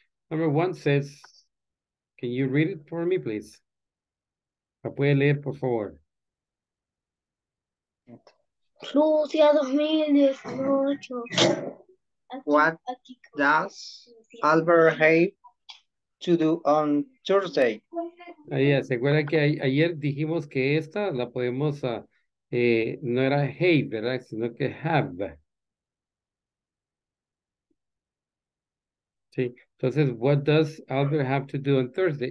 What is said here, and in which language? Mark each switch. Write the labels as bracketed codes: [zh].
[en] Number one says, can you read it for me, please? [es] ¿La puede leer, por favor? Lucia 2018. [en] What does Albert have to do on Thursday? [es] Ahí, ¿se acuerda que ayer dijimos que esta la podemos, no era have, ¿verdad? Sino que have. Sí, entonces, [en] what does Albert have to do on Thursday?